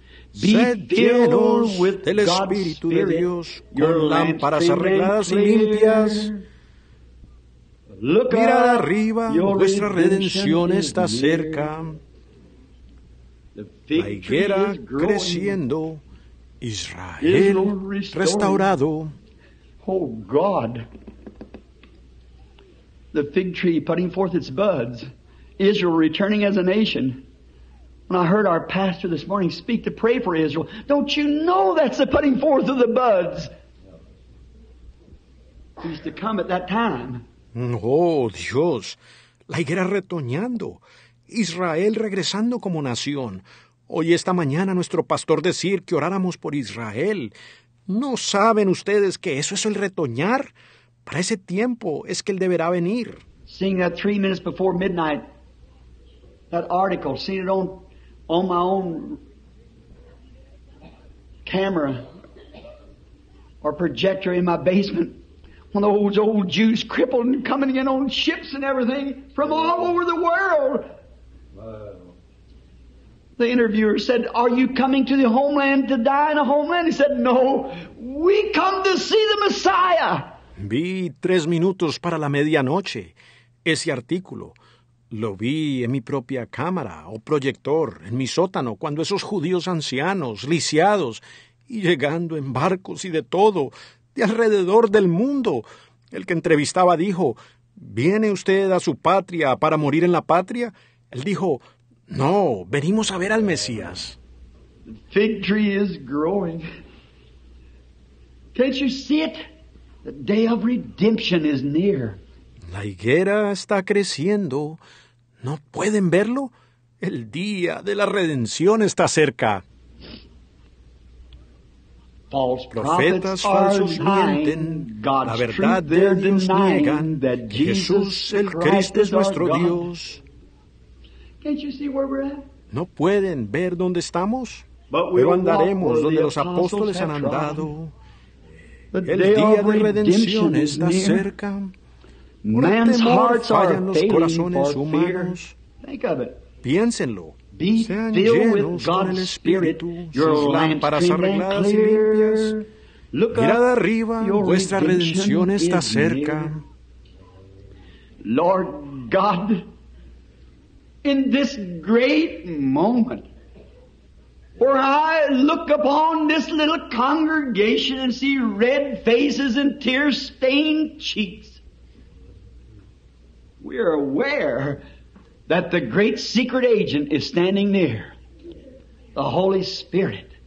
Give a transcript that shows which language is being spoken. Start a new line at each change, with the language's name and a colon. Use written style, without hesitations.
Spanish: Sed llenos del Espíritu de Dios, con lámparas arregladas y limpias. Mirad arriba, vuestra redención está cerca. La higuera creciendo, Israel restaurado.
English: Oh God, the fig tree putting forth its buds, Israel returning as a nation. When I heard our pastor this morning speak to pray for Israel, don't you know that's the putting forth of the buds? He's to come at that time.
Spanish: Oh, Dios. La higuera retoñando. Israel regresando como nación. Oí esta mañana nuestro pastor decir que oráramos por Israel. ¿No saben ustedes que eso es el retoñar? Para ese tiempo es que él deberá venir.
English: Seeing that 3 minutes before midnight, that article, seeing it on my own camera or projector in my basement, one of those old Jews crippled and coming in on ships and everything from all over the world. The interviewer said, "Are you coming to the homeland to die in a homeland?" He said, "No, we come to see the Messiah."
Spanish: Vi 3 minutos para la medianoche ese artículo. Lo vi en mi propia cámara o proyector en mi sótano cuando esos judíos ancianos, lisiados y llegando en barcos y de todo, de alrededor del mundo. El que entrevistaba dijo, ¿viene usted a su patria para morir en la patria? Él dijo, no, venimos a ver al Mesías.
English: The fig tree is growing. Can't you see it? The day of redemption is near.
Spanish: La higuera está creciendo. ¿No pueden verlo? El día de la redención está cerca.
English: False
Spanish: profetas falsos mienten. La verdad de Dios niegan. Jesús, el Cristo, es nuestro Dios.
English: Can't you see where we're at?
Spanish: ¿No pueden ver dónde estamos? Pero andaremos donde los apóstoles han andado. El día de redención está cerca.
English: Man's hearts are failing for fear. Think of it.
Spanish: Piénsenlo.
English: Be filled with God's Spirit. Your lamps clean and clear. Look up.
Spanish: Mirad arriba. Vuestra redención está cerca.
English: Lord God, in this great moment, where I look upon this little congregation and see red faces and tear-stained cheeks, we are aware that the great secret agent is standing near, the Holy Spirit.